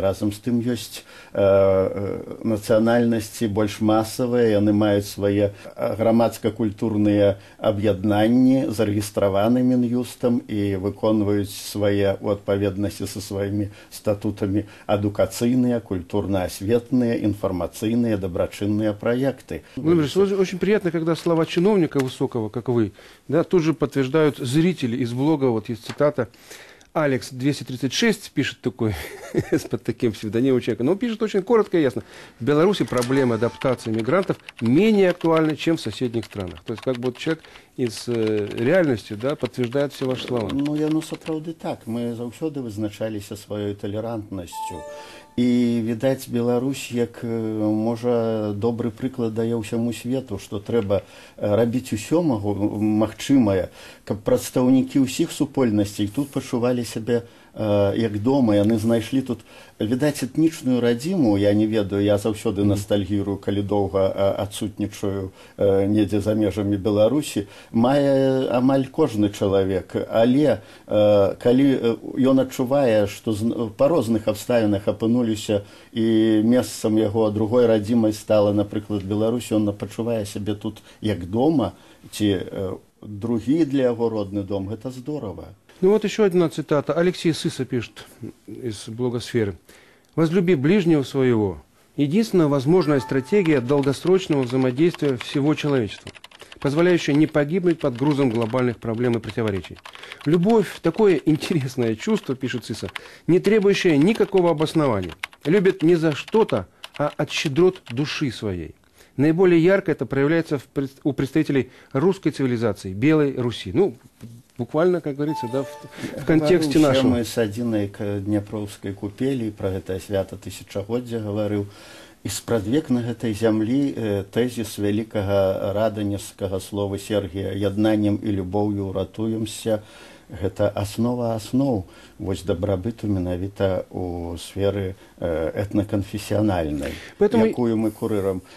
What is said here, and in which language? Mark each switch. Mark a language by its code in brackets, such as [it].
[be] Разам з тым ёсць нацыянальнасці больш масавыя, яны маюць свае грамадска-культурныя аб'яднанні, зарэгістраваны Мін'юстам і выконваюць свае ў адпаведнасці са сваімі статутамі адукацыйныя, культурна-асветныя, [ru] информационные, доброчинные проекты. Очень приятно, когда слова чиновника высокого, как вы, да, тут же подтверждают зрители из блога. Вот есть цитата. Алекс 236 пишет такой, под таким псевдонимом человека, но он пишет очень коротко и ясно. В Беларуси проблемы адаптации мигрантов менее актуальны, чем в соседних странах. То есть как бы вот человек из реальности, да, подтверждает все ваши слова. [be] Ну, я, ну, сапраўды так. Мы заўсёды вызначаліся [ru] своей толерантностью. [be] І відаць, Беларусь як можа добры прыклад дае ўсяму свету, што трэба рабіць усё магчымае, каб прадстаўнікі ўсіх супольнасцей тут пачувалі сябе як дома. Яны знайшлі тут, відаць, этнічную радзіму. Я не ведаю, я заўсёды ностальгірую, калі доўга адсутнічаю недзе за межамі Беларусі. Мае амаль кожны чалавек. Але калі ён адчувае, што па розных абставінах апынуліся і месцам яго другой радзімай стала, напрыклад, Беларусь, ён пачувае сябе тут як дома, ці другі для яго родны дом. Гэта здорава. [ru] Ну вот еще одна цитата. Алексей Сыса пишет из блогосферы. «Возлюби ближнего своего. Единственная возможная стратегия долгосрочного взаимодействия всего человечества, позволяющая не погибнуть под грузом глобальных проблем и противоречий. Любовь – такое интересное чувство, – пишет Сыса, – не требующее никакого обоснования. Любит не за что-то, а от щедрот души своей. Наиболее ярко это проявляется у представителей русской цивилизации, Белой Руси». Ну, буквально, как говорится, да, в контексте нашем. [be] Мы с адзінай Дняпроўскай купелі, про гэта свята тысячагоддзя гаварыў. І спрадвек на гэтай зямлі тезіс вялікага раданецкага слова Сергія «Яднаннем і любоўю ратуемся» гэта аснова асноў вось дабрабыту менавіта ў сферы этнаканфесіянальнай, якую мы курырам.